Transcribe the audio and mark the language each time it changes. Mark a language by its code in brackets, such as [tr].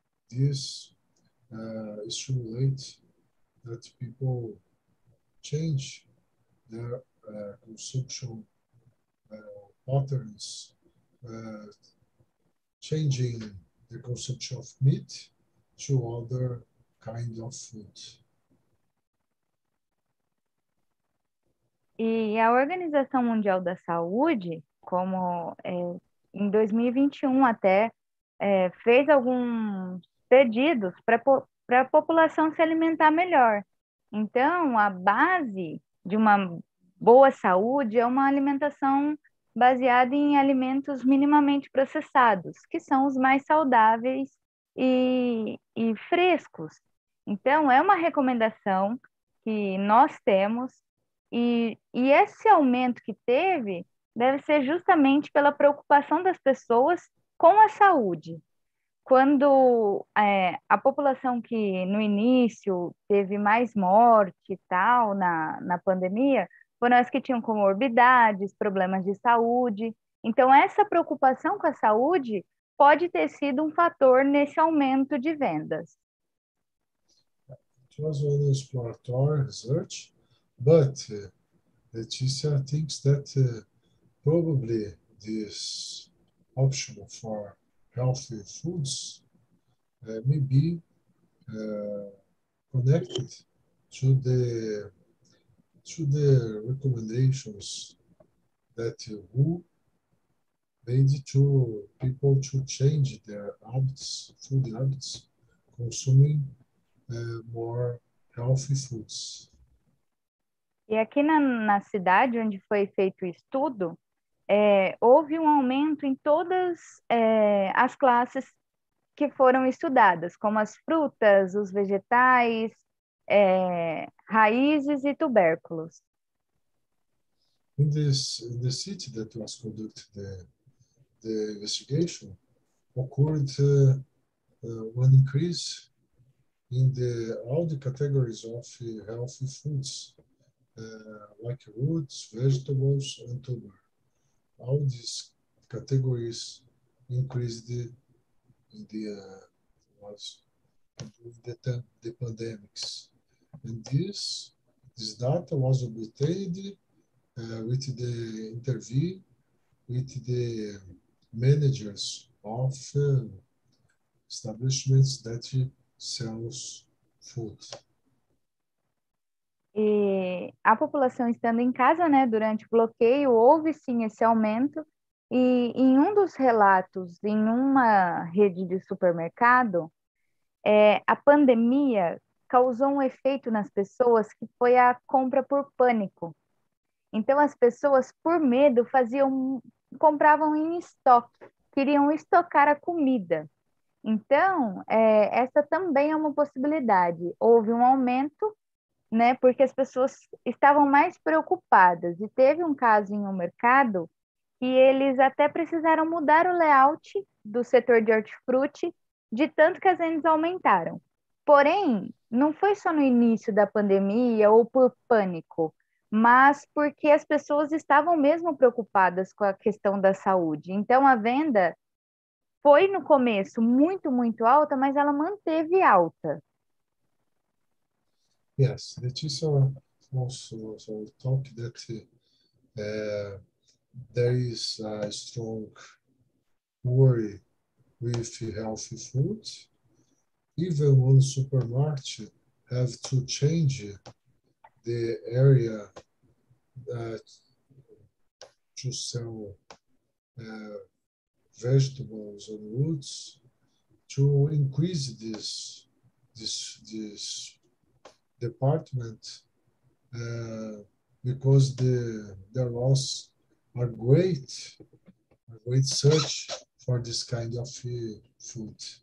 [en] This stimulates that people change their consumption patterns, changing the consumption of meat to other kinds of food. [pt] E a Organização Mundial da Saúde, como em 2021 até, fez alguns pedidos para a população se alimentar melhor. Então, a base de uma boa saúde é uma alimentação baseada em alimentos minimamente processados, que são os mais saudáveis e frescos. Então, é uma recomendação que nós temos, e esse aumento que teve deve ser justamente pela preocupação das pessoas com a saúde. Quando a população que no início teve mais morte e tal na pandemia, foram as que tinham comorbidades, problemas de saúde. Então, essa preocupação com a saúde pode ter sido um fator nesse aumento de vendas. [en] It was an exploratory research, but Leticia thinks that probably this option for healthy foods may be connected to the recommendations that WHO made to people to change their habits, food habits, consuming more healthy foods. [pt] E aqui na cidade onde foi feito o estudo, houve um aumento em todas as classes que foram estudadas, como as frutas, os vegetais, raízes e tubérculos. [en] In the city that was conducted the investigation, occurred an increase in the all the categories of healthy foods, like roots, vegetables and tuber. All these categories increased the pandemics. And this data was obtained with the interview with the managers of establishments that sells food. [pt] E a população estando em casa, né, durante o bloqueio, houve sim esse aumento. E em um dos relatos, em uma rede de supermercado, a pandemia causou um efeito nas pessoas que foi a compra por pânico. Então, as pessoas, por medo, compravam em estoque, queriam estocar a comida. Então, essa também é uma possibilidade. Houve um aumento, né, porque as pessoas estavam mais preocupadas. E teve um caso em um mercado que eles até precisaram mudar o layout do setor de hortifruti de tanto que as vendas aumentaram. Porém, não foi só no início da pandemia ou por pânico, mas porque as pessoas estavam mesmo preocupadas com a questão da saúde. Então, a venda foi, no começo, muito, muito alta, mas ela manteve alta. [en] Yes, Leticia also talked that there is a strong worry with healthy foods. Even one supermarket have to change the area that to sell vegetables and roots to increase this department because the loss are great search for this kind of food.